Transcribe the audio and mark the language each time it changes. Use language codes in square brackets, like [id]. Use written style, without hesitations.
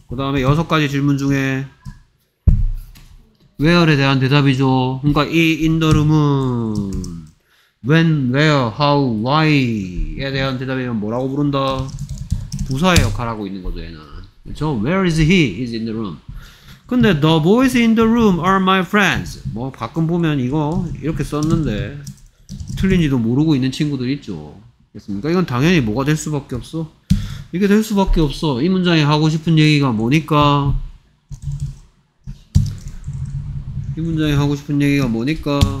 [ko] 그 다음에 여섯 가지 질문 중에 where에 대한 대답이죠. 그러니까 이 in the room은 when, where, how, why에 대한 대답이면 뭐라고 부른다? 부사의 역할을 하고 있는 거죠, 얘는. 그쵸? [en] Where is he? He's in the room. 근데 the boys in the room are my friends. [ko] 뭐 가끔 보면 이거 이렇게 썼는데 틀린지도 모르고 있는 친구들 있죠. 됐습니까? 이건 당연히 뭐가 될 수밖에 없어? 이게 될 수밖에 없어. 이 문장이 하고 싶은 얘기가 뭐니까? 이 문장이 하고 싶은 얘기가 뭐니까?